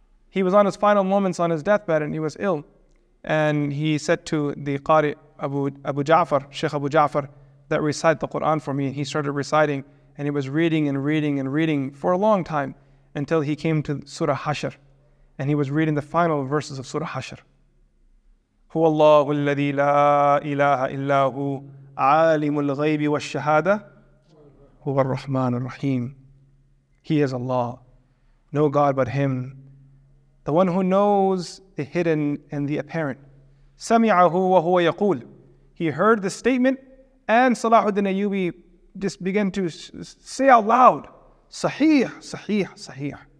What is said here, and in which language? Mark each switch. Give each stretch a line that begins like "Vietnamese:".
English: He was on his final moments on his deathbed and he was ill. And he said to the Qari Abu Ja'far, Sheikh Abu Ja'far, that recite the Qur'an for me. And he started reciting and he was reading for a long time until he came to Surah Hashr. And he was reading the final verses of Surah Hashr.
Arabic: هو الله الذي لا إله إلا هو عالم الغيب والشهادة هو الرحمن الرحيم.
English: He is Allah, no God but Him, the one who knows the hidden and the apparent.
Arabic: سمعه وهو يقول.
English: He heard the statement and Salahuddin Ayyubi just began to say out loud,
Arabic: صحيح صحيح صحيح.